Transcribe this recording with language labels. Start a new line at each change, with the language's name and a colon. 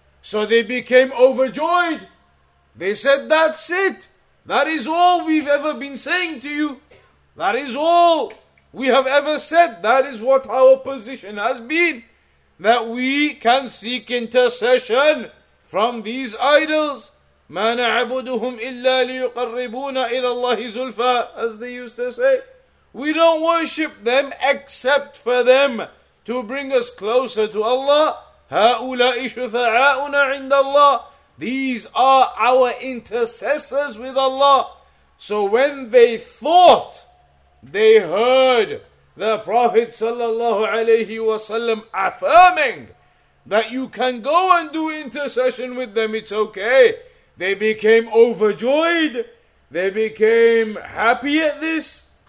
English: So they became overjoyed. They said, that's it. That is all we've ever been saying to you. That is all we have ever said. That is what our position has been. That we can seek intercession from these idols.
Arabic: مَا نَعَبُدُهُمْ إِلَّا لِيُقَرِّبُونَ إِلَى اللَّهِ زُلْفَى,
English: as they used to say. We don't worship them except for them to bring us closer to Allah.
Arabic: هَؤُلَاءِ شُفَعَاؤُنَا عِنْدَ اللَّهِ,
English: these are our intercessors with Allah. So when they thought they heard the Prophet sallallahu alayhi wasallam affirming that you can go and do intercession with them, it's okay, they became overjoyed, they became happy at this.